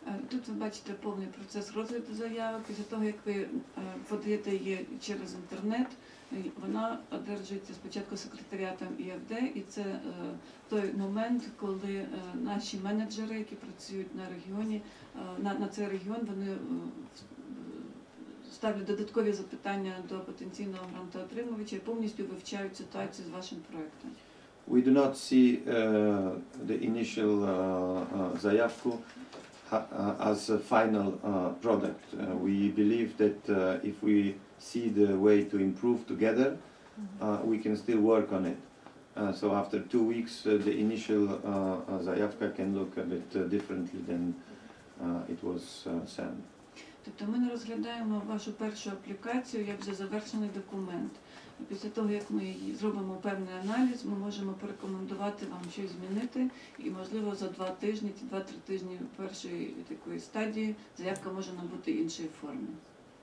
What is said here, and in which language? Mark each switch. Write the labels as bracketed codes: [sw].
[uk] Тут ви бачите повний процес розгляду заявок. Після того, як ви подаєте її через інтернет, вона одержується спочатку секретаріатом ЄФД, і це той момент, коли наші менеджери, які працюють на регіоні, на цей регіон, вони ставлять додаткові запитання до потенційного грантоотримувача і повністю вивчають ситуацію з вашим проєктом. [en] We do not see the initial заявку as a final product. We believe that if we see the way to improve together, we can still work on it. So after 2 weeks, the initial заявка can look a bit differently than it was sent. [uk] Тобто ми не розглядаємо вашу першу аплікацію як вже завершений документ. Після того, як ми її зробимо певний аналіз, ми можемо порекомендувати вам щось змінити, і, можливо, за 2 тижні, 2-3 тижні першої такої стадії заявка може набути іншої форми.